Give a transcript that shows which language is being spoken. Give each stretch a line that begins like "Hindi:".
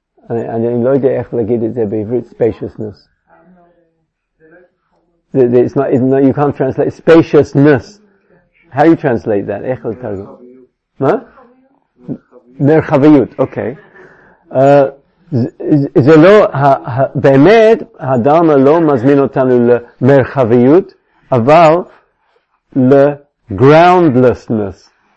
Hebrew: אני לא יודע איך להגיד את זה בעברית, spaciousness.
English: It's not, you can't translate spaciousness. How do you translate that?
Hebrew: איך לתרגם? מה? מרחביות, אוקיי. זה לא, באמת, הדרמה לא מזמין אותנו למרחביות, אבל לגראונדלסנס.